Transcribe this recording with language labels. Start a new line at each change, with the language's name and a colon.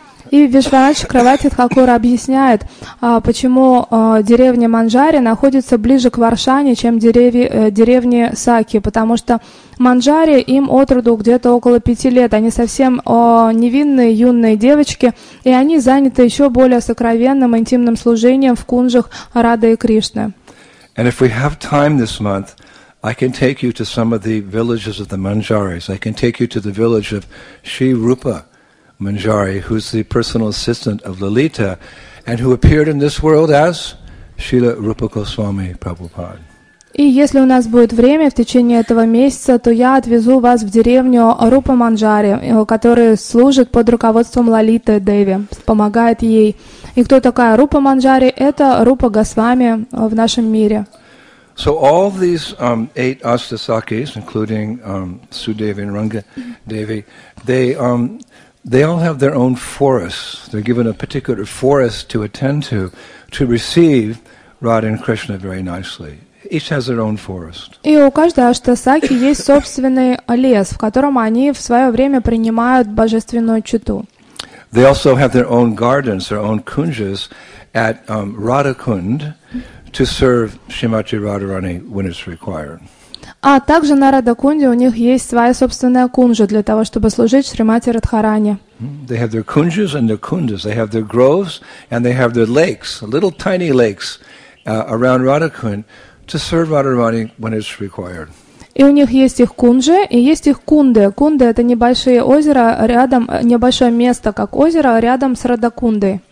Russian: И Вишванатх Чакравати Тхакур объясняет, почему деревня Манджари находится ближе к Варшане, чем деревни Саки, потому что Манджари им от роду где-то около 5 лет, они совсем невинные юные девочки, и они заняты еще более сокровенным интимным служением в кунжах Рады и Кришны.
English: And if we have time this month, I can take you to some of the villages of the Manjaris. I can take you to the village of Sri Rupa Manjari, who's the personal assistant of Lalita, and who appeared in this world as Srila Rupa Goswami Prabhupada.
Russian: И если у нас будет время в течение этого месяца, то я отвезу вас в деревню Рупа Манджари, которая служит под руководством Лалиты Деви, помогает ей. И кто такая Рупа Манджари? Это Рупа Госвами в нашем мире.
English: So all these eight astasakis, including Sudevi and Ranga Devi, they all have their own forests. They're given a particular forest to attend to receive Radha and Krishna very nicely. Each has their own forest.
Russian: И у каждой аштасаки есть собственный лес, в котором они в свое время принимают божественную читу.
English: They also have their own gardens, their own kunjas at Radhakund, to serve Srimati Radharani when it's required.
Russian: А также на Радхакунде у них есть своя собственная кунжа для того, чтобы служить Шримати Радхарани.
English: They have their kunjas and their kundas. They have their groves and they have their lakes, little tiny lakes around Radhakund to serve Radharani when it's required.
Russian: И у них есть их кунжи и есть их кунды. Кунды — это небольшое озеро рядом, небольшое место, как озеро, рядом с Радхакундой.